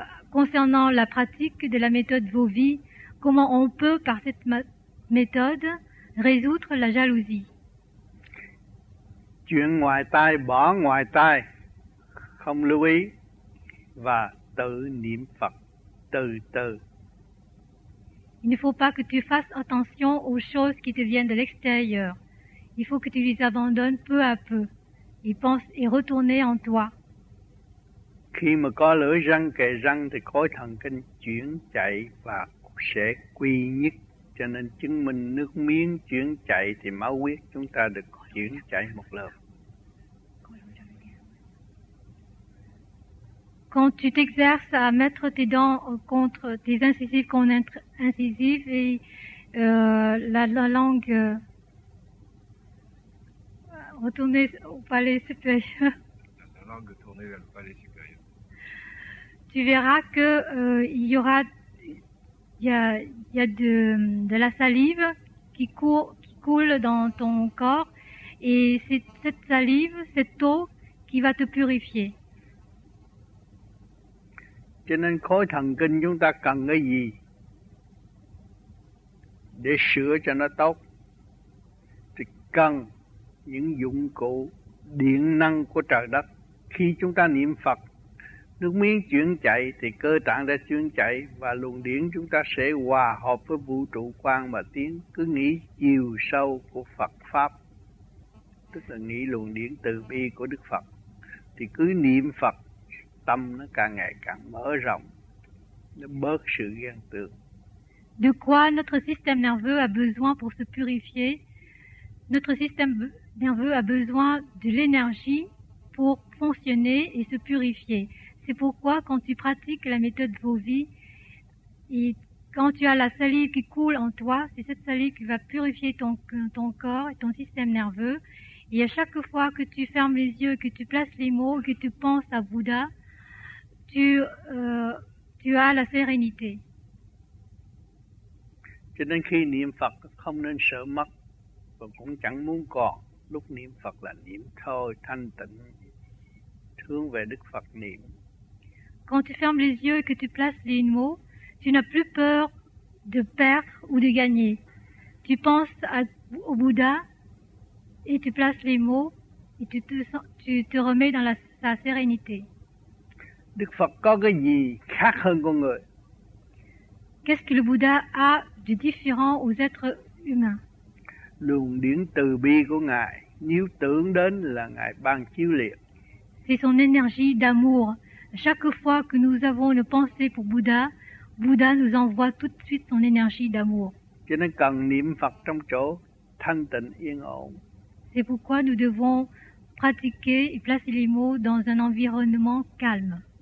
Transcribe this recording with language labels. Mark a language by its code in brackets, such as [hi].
[fr] Concernant la pratique de la méthode vô vi, comment on peut, par cette méthode, résoudre la jalousie? [vi] Chuyện ngoài tai, bỏ ngoài tai, không lưu ý, và tự niệm Phật, từ từ. [fr] Il ne faut pas que tu fasses attention aux choses qui te viennent de l'extérieur. Il faut que tu les abandonnes peu à peu et pense et retourner en toi. [vi] Khi mà có lưỡi răng kề răng thì khối thần kinh chuyển chạy và sẽ quy nhất, cho nên chứng minh nước miếng chuyển chạy thì máu huyết chúng ta được chuyển chạy một lần. [fr] Quand tu t'exerces à mettre tes dents contre tes incisives contre incisives et la langue retournée au palais supérieur. La langue tournée vers le palais supérieur. Tu verras que il y a de la salive qui coule dans ton corps et c'est cette salive, cette eau qui va te purifier. [vi] Cho nên khối thần kinh chúng ta cần cái gì để sửa cho nó tốt thì cần những dụng cụ điện năng của trời đất. Khi chúng ta niệm Phật, nước miếng chuyển chạy thì cơ tạng đã chuyển chạy và luồng điển chúng ta sẽ hòa hợp với vũ trụ quang mà tiến. Cứ nghĩ chiều sâu của Phật Pháp, tức là nghĩ luồng điển từ bi của Đức Phật, thì cứ niệm Phật, tâm nó càng ngày càng mở rộng, nó bớt sự ghen tương. [fr] De quoi notre système nerveux a besoin pour se purifier? Notre système nerveux a besoin de l'énergie pour fonctionner et se purifier. C'est pourquoi quand tu pratiques la méthode Vovi et quand tu as la salive qui coule en toi, c'est cette salive qui va purifier ton corps et ton système nerveux. Et à chaque fois que tu fermes les yeux, que tu places les mots, que tu penses à Bouddha, tu as la sérénité. [vi] Cho nên khi niệm Phật không nên sợ mất và cũng chẳng muốn còn. Lúc niệm Phật là niệm thôi, thanh tịnh, hướng về Đức Phật niệm. [fr] Quand tu fermes les yeux et que tu places les mots, tu n'as plus peur de perdre ou de gagner. Tu penses au Bouddha et tu places les mots et tu te remets dans sa sérénité. [vi] Đức Phật có cái gì khác hơn con người? [fr] Qu'est-ce que le Bouddha a de différent aux êtres humains? [vi] Luồng điển từ bi của Ngài, nếu tưởng đến là Ngài ban chiếu liệt. [fr] C'est son énergie d'amour. Chaque fois que nous avons une pensée pour Bouddha, Bouddha nous envoie tout de suite son énergie d'amour. C'est pourquoi nous devons pratiquer et placer les mots dans un environnement calme.